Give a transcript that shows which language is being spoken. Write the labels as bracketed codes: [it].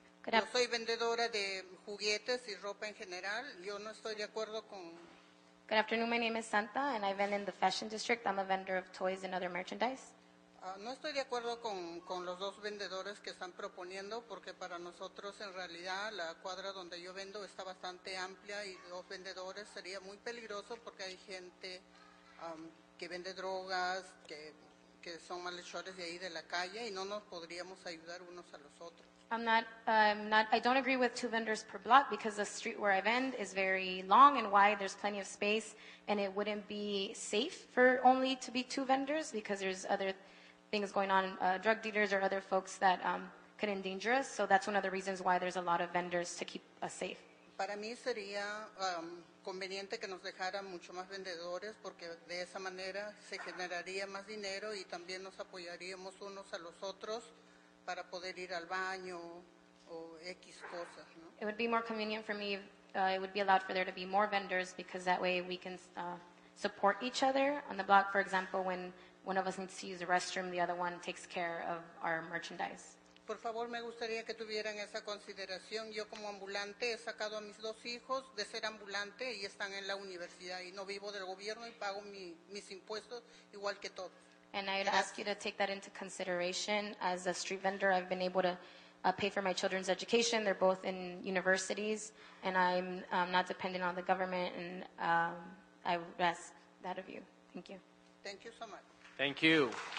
[es] Yo soy vendedora de juguetes y ropa en general. Yo no estoy de acuerdo con... [en] Good afternoon. My name is Santa, and I vend in the Fashion District. I'm a vendor of toys and other merchandise. [es] No estoy de acuerdo con los dos vendedores que están proponiendo porque para nosotros en realidad la cuadra donde yo vendo está bastante amplia y dos vendedores sería muy peligroso porque hay gente que vende drogas, que son malhechores de ahí de la calle y no nos podríamos ayudar unos a los otros. [en] I don't agree with two vendors per block because the street where I vend is very long and wide. There's plenty of space and it wouldn't be safe for only to be two vendors because there's other things going on, drug dealers or other folks that could endanger us. So that's one of the reasons why there's a lot of vendors to keep us safe. [es] Para mí sería conveniente que nos dejaran mucho más vendedores porque de esa manera se generaría más dinero y también nos apoyaríamos unos a los otros para poder ir al baño o X cosas, ¿no? [en] It would be more convenient for me if it would be allowed for there to be more vendors because that way we can support each other on the block. For example, when one of us needs to use the restroom, the other one takes care of our merchandise. [es] Por favor, me gustaría que tuvieran esa consideración. Yo como ambulante he sacado a mis dos hijos de ser ambulante y están en la universidad y no vivo del gobierno y pago mis impuestos igual que todos. [en] And I would ask you to take that into consideration. As a street vendor, I've been able to pay for my children's education. They're both in universities, and I'm not dependent on the government, and I would ask that of you. Thank you. Thank you so much. Thank you.